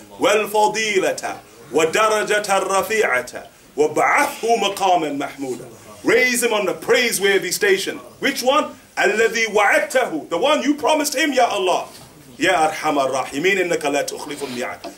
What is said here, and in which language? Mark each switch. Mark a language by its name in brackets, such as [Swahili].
[Arabic] والفضيلة ودرجة الرفيعة وبعثه مقاما محمودا. [English] Raise him on the praiseworthy station. Which one? [Arabic] الذي وعدته. [English] The one you promised him, Ya Allah. [Arabic] Ya أرحم الراحمين إنك لا تخلف الميعاد.